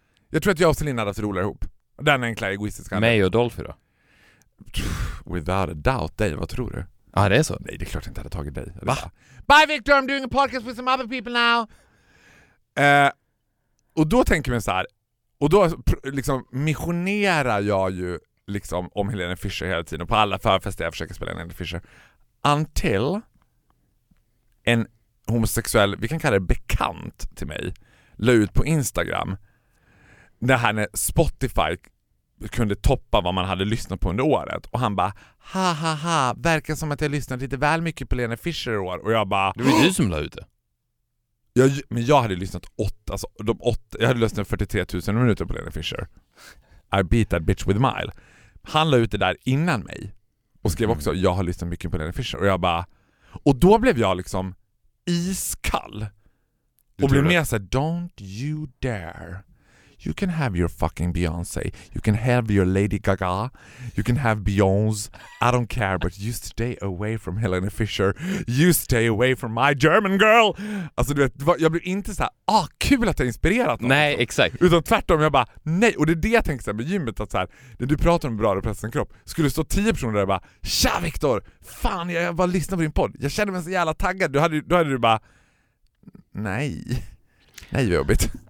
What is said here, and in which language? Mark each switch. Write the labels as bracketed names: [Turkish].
[Swedish] Jag tror att jag och Celine hade haft roligare ihop. Den enkla egoistiska. Mig och Dolphy då? [English] Without a doubt, [Swedish] dig, vad tror du? Ja, det är så. Nej, det är klart att jag inte hade tagit dig. Va? [English] Bye Victor, I'm doing a podcast with some other people now. [Swedish] Och då tänker man så här, och då liksom missionerar jag ju liksom om Helene Fischer hela tiden och på alla förfester jag försöker spela Helene Fischer. Until en homosexuell, vi kan kalla det bekant till mig, la ut på Instagram när han Spotify kunde toppa vad man hade lyssnat på under året. Och han bara, ha ha ha, verkar som att jag lyssnat lite väl mycket på Helene Fischer i år. Och jag bara, det var du som la ut det. Jag, men jag hade lyssnat jag hade lyssnat 43 000 minuter på Helene Fischer. [English] I beat that bitch with a mile. [Swedish] Han la ut det där innan mig och skrev också, jag har lyssnat mycket på Helene Fischer. Och jag bara, och då blev jag liksom iskall. Och blev mer såhär, [English] don't you dare. You can have your fucking Beyoncé. You can have your Lady Gaga. You can have Beyoncé. I don't care, but you stay away from Helene Fischer. You stay away from my German girl. [Swedish] Alltså du vet, jag blir inte så här, ah, kul att jag inspirerat någon. Nej, exakt. Utan tvärtom, jag bara, nej. Och det är det jag tänker så här med gymmet, att så här, när du pratar om bra att pressa en kropp, skulle stå 10 personer där och bara, tja Victor, fan, jag bara lyssnar på din podd. Jag känner mig så jävla taggad. Då hade du bara, nej. Nej, jobbigt.